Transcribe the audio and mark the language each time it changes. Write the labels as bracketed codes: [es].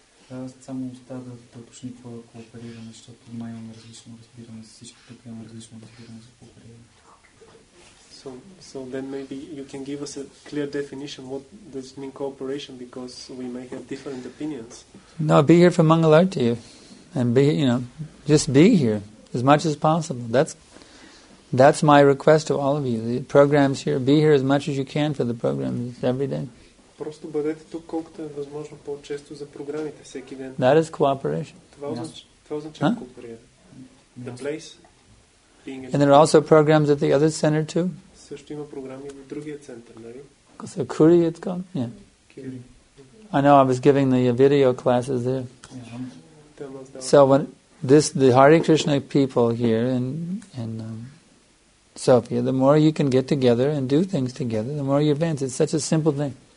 [bg] Аз само остава да уточни какво е коопериране, защото май имаме различно разбиране, всички тук имаме различно разбиране за коопериране. [en] So then maybe you can give us a clear definition what does it mean cooperation, because we may have different opinions. No, be here for Mangalarti. And be, you know, just be here as much as possible. That's my request to all of you. The programs here, be here as much as you can for the programs every day. [bg] Просто бъдете тук колкото е възможно по-често за програмите всеки ден. [en] That is cooperation. [bg] Това, [en] yes. [bg] означ... Това означава кооперира. [en] And there are also programs at the other center too? [bg] Също има програми в другия център, нали? [en] Because the Curie, it's called? Yeah. I know, I was giving the video classes there. So when this, the Hare Krishna people here in Sofia, the more you can get together and do things together, the more you advance. It's such a simple thing.